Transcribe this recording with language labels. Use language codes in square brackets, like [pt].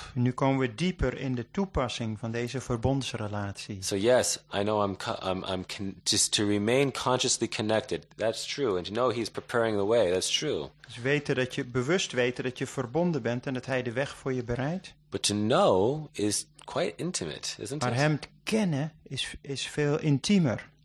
[nl] Nu komen we dieper in de toepassing van deze verbondsrelatie. [en] So yes, I know I'm just to remain consciously connected. That's true. And you know he's preparing the way. That's true. [nl] Dus weten dat je bewust weten dat je verbonden bent en dat hij de weg voor je bereidt. [en] But to know is quite intimate, isn't it? [nl] Maar hem kennen is veel intiemer.